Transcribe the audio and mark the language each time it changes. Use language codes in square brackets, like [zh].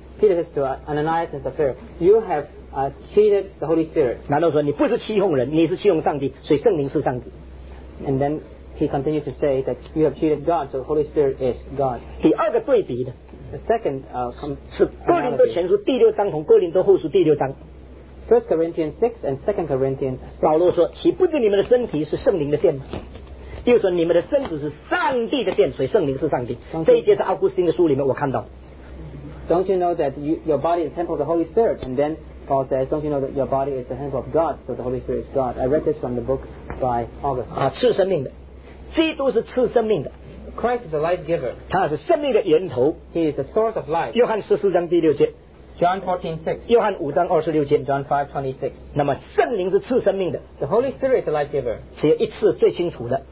[en] Peter says to Ananias and Sapphira you have cheated the Holy Spirit [zh] 难道说你不是欺哄人你是欺哄上帝所以圣灵是上帝 [en] and then he continues to say that you have cheated God so the Holy Spirit is God [zh] 第二个对比的 [en] The second, [zh] 是哥林多前书第六章同哥林多后书第六章 [en] First Corinthians 6 and Second Corinthians 6 [zh] 保罗说岂不知你们的身体是圣灵的殿吗又说你们的身子是上帝的殿所以圣灵是上帝 [en] you, [zh] 这一节在奥古斯丁的书里面我看到 [en] Don't you know that your body is the temple of the Holy Spirit and then Paul says Don't you know that your body is the temple of God so the Holy Spirit is God I read this from the book by August [zh] 赐生命的基督是赐生命的 [en] Christ is a life giver. [zh] 他是生命的源头。 [en] He is the source of life. [zh] 约翰十四章第六节。 [en] John 14:6. [zh] 约翰五章二十六节。 [en] John 5:26. [zh] 那么圣灵是赐生命的。 [en] The Holy Spirit is the life giver. [zh] 只有一次最清楚的。